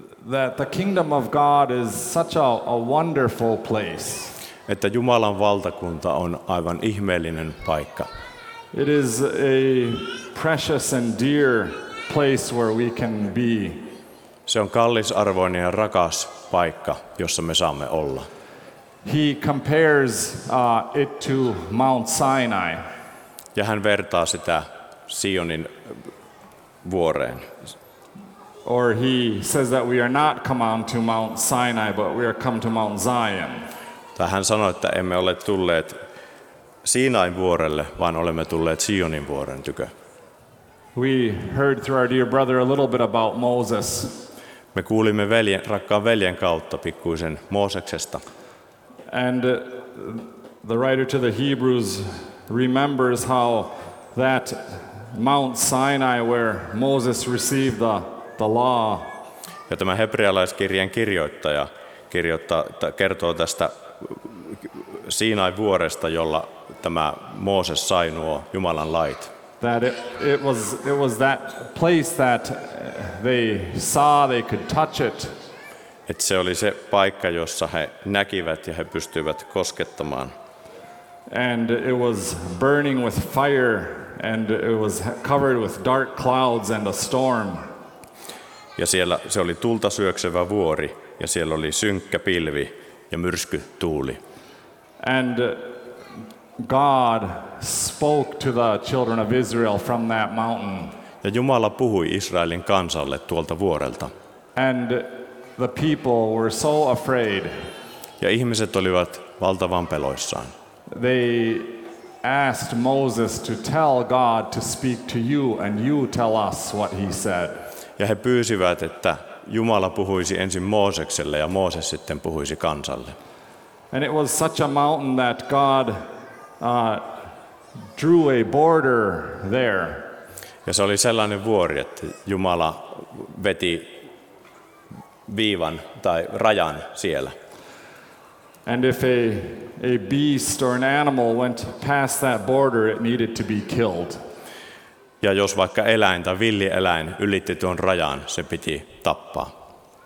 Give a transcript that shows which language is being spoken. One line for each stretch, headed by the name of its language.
English: That the kingdom of God is such a wonderful place.
Finnish: Että Jumalan valtakunta on aivan ihmeellinen paikka.
English: It is a precious and dear place where we can be.
Finnish: Se on kallisarvoinen ja rakas paikka, jossa me saamme olla.
English: He compares it to Mount Sinai.
Finnish: Ja hän vertaa sitä Sionin vuoreen.
English: Or he says that we are not come on to Mount Sinai, but we are come to Mount Zion.
Finnish: Tai hän sanoi, että emme ole tulleet Siinain vuorelle, vaan olemme tulleet Sionin vuoren tykö.
English: We heard through our dear brother a little bit about Moses.
Finnish: Me kuulimme rakkaan veljen kautta pikkuisen Mooseksesta.
English: And the writer to the Hebrews remembers how that Mount Sinai where Moses received the law.
Finnish: Ja tämä hebrealaiskirjan kirjoittaja kertoo tästä Siinain vuoresta, jolla tämä Mooses sai nuo Jumalan lait.
English: That it was that place that they saw, they could touch it.
Finnish: Et se oli se paikka, jossa he näkivät ja he pystyivät koskettamaan.
English: And it was burning with fire and it was covered with dark clouds and a storm.
Finnish: Ja siellä se oli tulta syöksevä vuori ja siellä oli synkkä pilvi ja myrsky tuuli.
English: And God spoke to the children of Israel from that mountain.
Finnish: Ja Jumala puhui Israelin kansalle tuolta vuorelta.
English: And the people were so afraid.
Finnish: Ja ihmiset olivat valtavan peloissaan.
English: They asked Moses to tell God to speak to you and you tell us what he said.
Finnish: Ja he pyysivät, että Jumala puhuisi ensin Moosekselle ja Mooses sitten puhuisi kansalle.
English: And it was such a mountain that God drew a border there.
Finnish: Ja se oli sellainen vuori, että Jumala veti viivan tai rajan siellä.
English: And if a beast or an animal went past that border, it needed to be killed.
Finnish: Ja jos vaikka eläin tai villieläin ylitti tuon rajan, se piti tappaa.